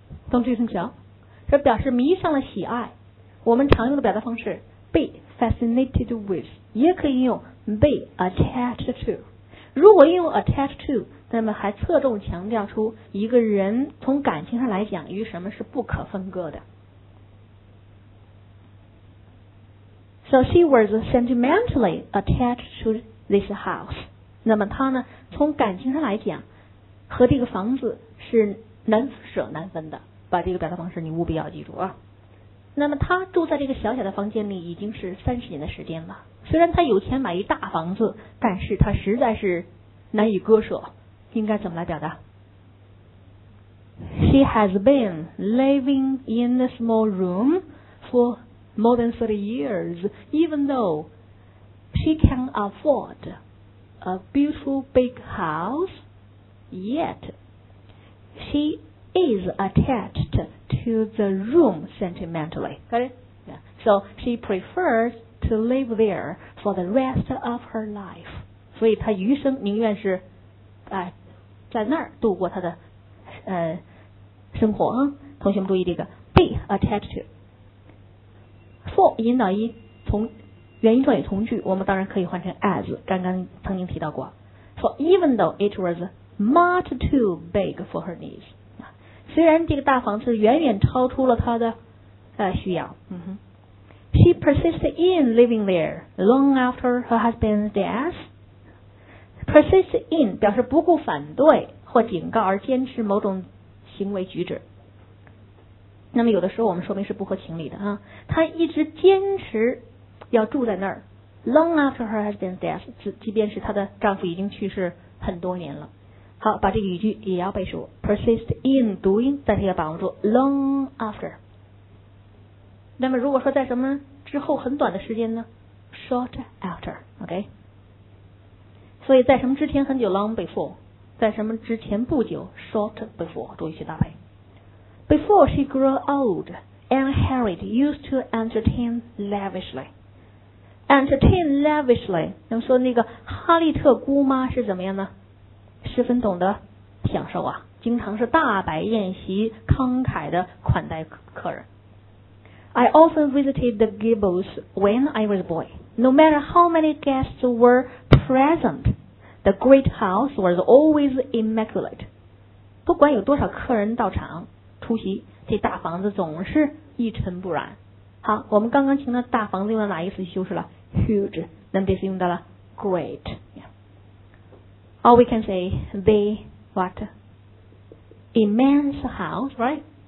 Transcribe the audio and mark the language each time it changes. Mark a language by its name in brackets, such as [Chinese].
[Chinese] 懂这个生效？这表示迷上了喜爱。我们常用的表达方式 [English] be fascinated with, [Chinese] 也可以用 [English] be attached to. [Chinese] 如果用 [English] attached to, [Chinese] 那么还侧重强调出一个人从感情上来讲与什么是不可分割的。 [English] So she was sentimentally attached to this house. [Chinese] 那么她呢从感情上来讲和这个房子是难舍难分的。把这个表达方式你务必要记住啊。那么她住在这个小小的房间里已经是30年的时间了。虽然他有钱买一大房子，但是他实在是难以割舍，应该怎么来表达？ [English] She has been living in a small room for more than 30 years, even though she can afford a beautiful big house, yet she is attached to the room sentimentally. Got it? Yeah. So she prefers to live there for the rest of her life. [Chinese] 所以她余生宁愿是在那儿度过她的生活啊。同学们注意这个 [English] be attached to. [Chinese] For 引导一从原因状语从句，我们当然可以换成 as, 刚刚曾经提到过。 [English] For even though it was much too big for her needs. [Chinese] 虽然这个大房子远远超出了她的需要。嗯哼。 [English] She persisted in living there long after her husband's death. Persist in [Chinese] 表示不顾反对或警告而坚持某种行为举止。那么有的时候我们说明是不合情理的啊。她一直坚持要住在那儿 [English] long after her husband's death, [Chinese] 即便是她的丈夫已经去世很多年了。好，把这个语句也要背熟。 [English] Persist in doing, [Chinese] 但是要把握住 [English] long after. [Chinese] 那么如果说在什么之后很短的时间呢 short after OK 所以在什么之前很久 long before 在什么之前不久 short before 注意去搭配 [English] before she grew old Anne Harriet used to entertain lavishly entertain lavishly， [Chinese] 那么说那个哈利特姑妈是怎么样呢？十分懂得享受啊，经常是大摆宴席，慷慨的款待客人。 [English] I often visited the Gables when I was a boy. No matter how many guests were present, the great house was always immaculate. [Chinese] 不管有多少客人到场出席，这大房子总是一尘不染。好，我们刚刚听到大房子用到哪一个词修饰了 ？Huge。那么这次用到了 great。 [English] Yeah. Or we can say the what? Immense house, right?